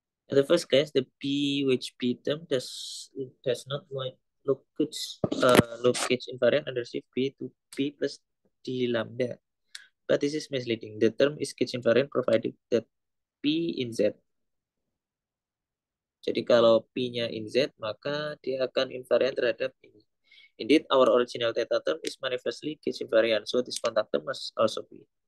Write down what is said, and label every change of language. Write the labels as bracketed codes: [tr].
[en] In the first case, the P which P term does not look good. Look good invariant under shift P to P plus D lambda. But this is misleading. The term is Gitch invariant provided that P in Z. [id] Jadi kalau P-nya in Z, maka dia akan invariant terhadap ini. [en] Indeed, our original theta term is manifestly Gitch invariant, so this contact term must also be.